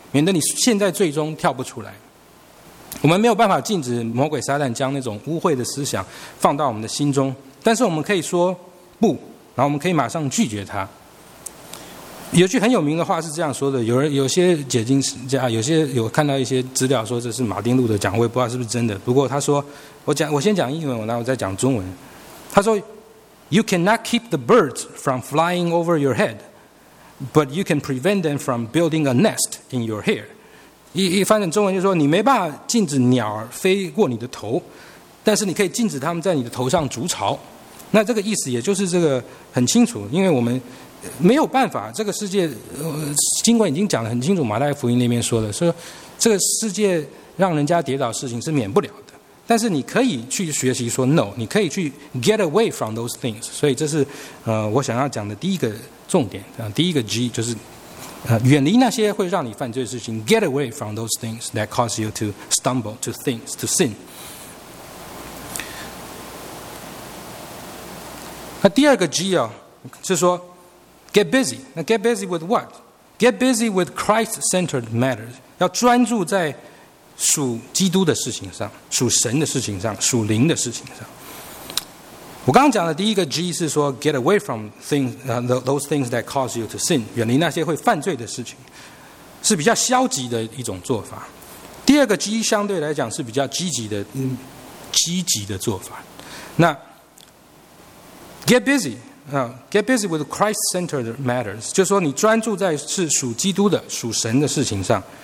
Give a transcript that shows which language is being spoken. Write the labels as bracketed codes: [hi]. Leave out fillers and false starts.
[zh] 免得你现在最终跳不出来。我们没有办法禁止魔鬼撒旦将那种污秽的思想放到我们的心中，但是我们可以说不，然后我们可以马上拒绝它。有句很有名的话是这样说的，有人有些解经家，有些有看到一些资料说这是马丁路德讲，我也不知道是不是真的，不过他说我先讲英文，然后再讲中文。他说 [en] You cannot keep the birds from flying over your head, but you can prevent them from building a nest in your hair. [zh] 一翻成中文就是说，你没办法禁止鸟飞过你的头，但是你可以禁止它们在你的头上筑巢。那这个意思也就是这个很清楚，因为我们没有办法，这个世界经文已经讲得很清楚，马太福音那边说的，说这个世界让人家跌倒的事情是免不了的，但是你可以去学习说 no， 你可以去 [en] get away from those things。 [zh] 所以这是我想要讲的第一个重点，第一个 G 就是远离那些会让你犯罪的事情， [en] get away from those things that cause you to stumble, to things, to sin。 [zh] 那第二个 G 是说 [en] Get busy. Now get busy with what? Get busy with Christ-centered matters. [zh] 要专注在属基督的事情上，属神的事情上，属灵的事情上。我刚刚讲的第一个 G 是说 [en] get away from things, those things that cause you to sin. [zh] 远离那些会犯罪的事情，是比较消极的一种做法。第二个 G 相对来讲是比较积极的做法。那 [en] get busy。Get busy with Christ-centered matters， [zh] 就是说你专注在是属基督的、属神的事情上。